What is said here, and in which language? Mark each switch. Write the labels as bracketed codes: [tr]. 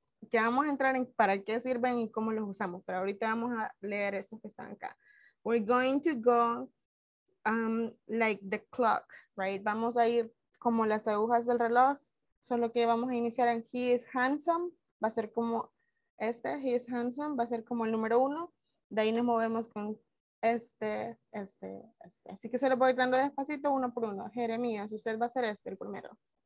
[es] Ya vamos a entrar en para qué sirven y cómo los usamos, pero ahorita vamos a leer esos que están acá. [en] We're going to go like the clock, right? [es] Vamos a ir como las agujas del reloj, solo que vamos a iniciar en [en] he is handsome, [es] va a ser como este, he is handsome, va a ser como el número uno. De ahí nos movemos con este. Así que se lo voy dando despacito, uno por uno. Jeremías, usted va a ser este, el primero.